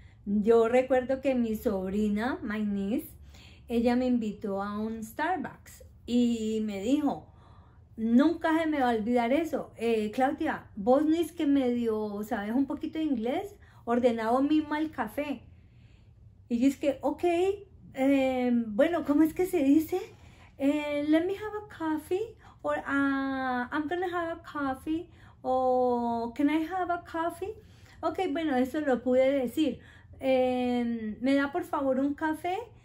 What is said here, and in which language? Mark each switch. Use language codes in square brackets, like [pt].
[es] Yo recuerdo que mi sobrina, [en] my niece, [es] ella me invitó a un Starbucks y me dijo: "Nunca se me va a olvidar eso. Claudia, vos ni es que medio sabes un poquito de inglés, ordenado mismo el café". Y yo es que, ok, bueno, ¿cómo es que se dice? [en] Let me have a coffee, or I'm gonna have a coffee, o can I have a coffee? [es] Ok, bueno, eso lo pude decir. ¿Me da por favor un café?